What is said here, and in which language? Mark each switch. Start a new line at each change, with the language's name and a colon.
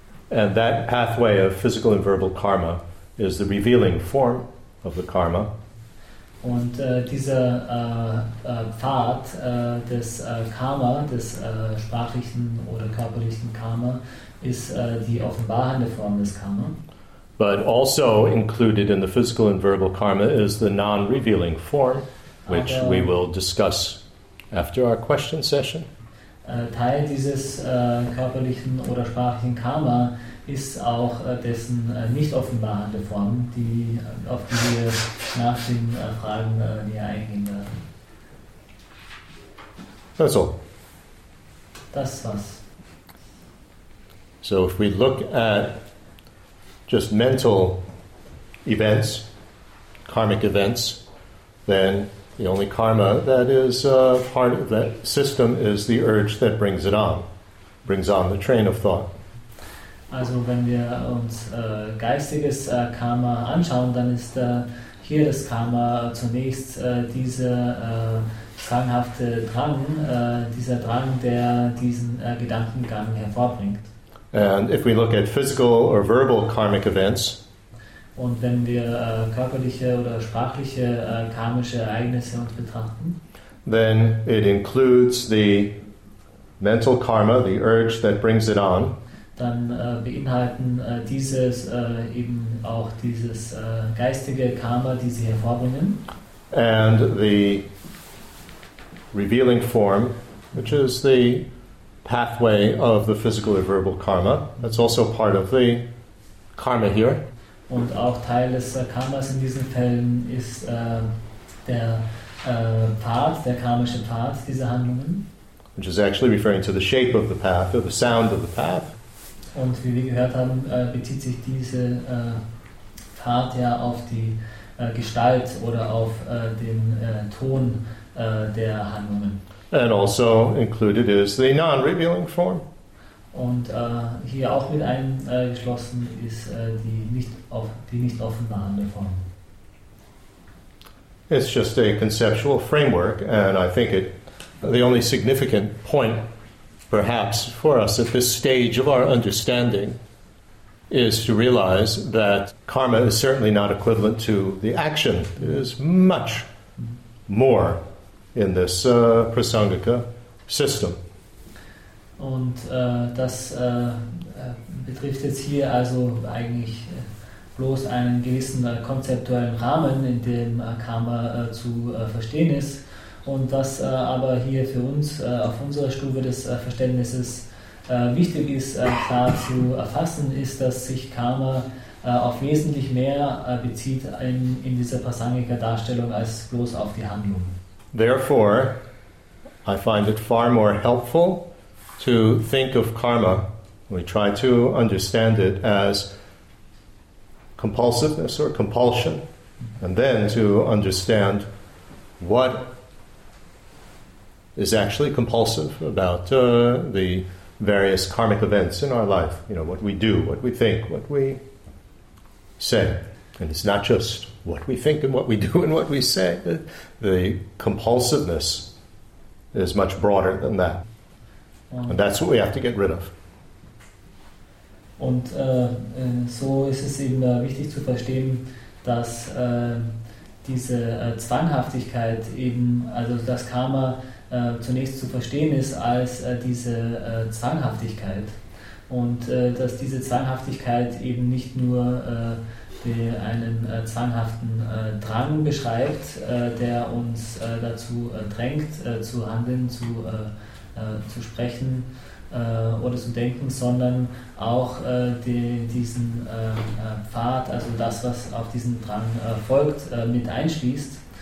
English: And that pathway of physical and verbal karma is the revealing form of the karma.
German: Und dieser Pfad des Karma, des sprachlichen oder körperlichen Karma, ist die offenbarende Form des Karma.
English: But also included in the physical and verbal karma is the non-revealing form, which we will discuss after our question session.
German: Teil dieses körperlichen oder sprachlichen Karma ist auch dessen nicht offenbarende Form, die, auf die wir nach den Fragen näher eingehen werden.
English: That's all.
German: Das war's.
English: So if we look at just mental events, karmic events, then the only karma that is part of that system is the urge that brings it on, brings on the train of thought.
German: Also wenn wir uns geistiges Karma anschauen, dann ist hier das Karma zunächst dieser zwanghafte Drang, dieser Drang, der diesen Gedankengang hervorbringt.
English: And if we look at physical or verbal karmic events,
German: und wenn wir körperliche oder sprachliche karmische Ereignisse uns betrachten,
English: then it includes the mental karma, the urge that brings it on.
German: Dann beinhalten dieses eben auch dieses geistige Karma, die sie hervorbringen.
English: And the revealing form, which is the pathway of the physical or verbal karma. That's also part of the karma here.
German: Und auch Teil des Karmas in diesen Fällen ist der Pfad, der karmische Pfad dieser Handlungen.
English: Which is actually referring to the shape of the path or the sound of the path.
German: Und wie wir gehört haben, bezieht sich diese Pfad ja auf die Gestalt oder auf den Ton der Handlungen.
English: And also included is the non-revealing form.
German: Und hier auch mit eingeschlossen ist die nicht offenbarende Form.
English: It's just a conceptual framework, and I think it the only significant point perhaps for us at this stage of our understanding is to realize that karma is certainly not equivalent to the action. It is much more in this Prasangika system.
German: Und das betrifft jetzt hier also eigentlich bloß einen gewissen konzeptuellen Rahmen, in dem Karma zu verstehen ist. Und was aber hier für uns auf unserer Stufe des Verständnisses wichtig ist, klar zu erfassen, ist, dass sich Karma auf wesentlich mehr bezieht in dieser Prasangika-Darstellung als bloß auf die Handlung.
English: Therefore, I find it far more helpful to think of karma, we try to understand it as compulsiveness or compulsion, and then to understand what is actually compulsive about the various karmic events in our life. You know, what we do, what we think, what we say. And it's not just what we think and what we do and what we say. The compulsiveness is much broader than that. And that's what we have to get rid of.
German: Und so ist es eben wichtig zu verstehen, dass diese Zwanghaftigkeit eben, also das Karma zunächst zu verstehen ist als diese Zwanghaftigkeit. Und dass diese Zwanghaftigkeit eben nicht nur einen zwanghaften Drang beschreibt, der uns dazu drängt, zu handeln, zu sprechen oder zu denken, sondern auch diesen Pfad, also das, was auf diesen Drang folgt, mit einschließt.